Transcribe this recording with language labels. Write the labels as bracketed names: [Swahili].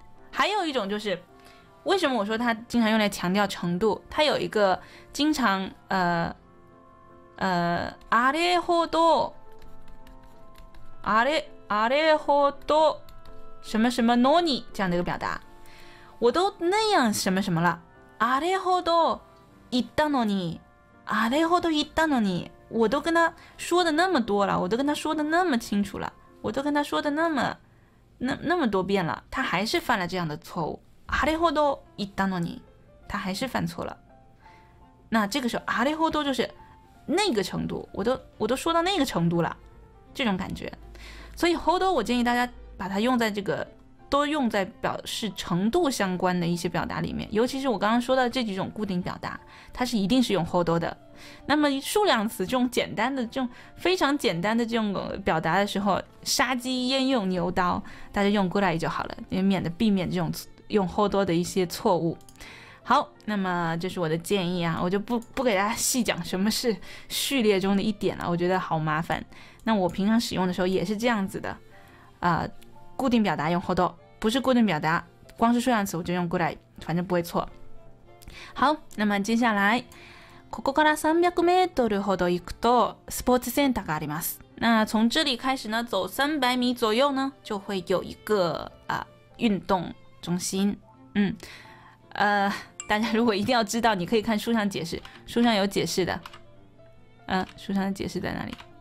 [Chinese] 还有一种就是为什么我说它经常用来强调程度？它有一个经常 [Japanese] あれほど，あれほど [Chinese] 什么什么のに这样的一个表达，我都那样什么什么了。 [Japanese] あれほど言ったのに，あれほど言ったのに， [Chinese] 我都跟他说的那么多了，我都跟他说的那么清楚了，我都跟他说的那么多遍了，他还是犯了这样的错误。 [Japanese] あれほど言ったのに， [Chinese] 他还是犯错了。那这个时候あれほど就是那个程度，我都说到那个程度了，这种感觉。所以ほど我建议大家把它用在这个都用在表示程度相关的一些表达里面，尤其是我刚刚说到这几种固定表达，它是一定是用ほど的。那么数量词这种简单的这种非常简单的这种表达的时候，杀鸡焉用牛刀，大家用ぐらい就好了，也免得避免这种用ほど的一些错误。好，那么这是我的建议啊，我就 不给大家细讲什么是序列中的一点了，我觉得好麻烦。那我平常使用的时候也是这样子的，固定表达用ほど，不是固定表达光是数量词我就用ぐらい，反正不会错。好，那么接下来 [Japanese] ここから300メートルほど行くとスポーツセンターがあります。 [Chinese] 那从这里开始呢走300米左右呢就会有一个运动中心。大家如果一定要知道你可以看书上解释，书上有解释的。书上的解释在哪里？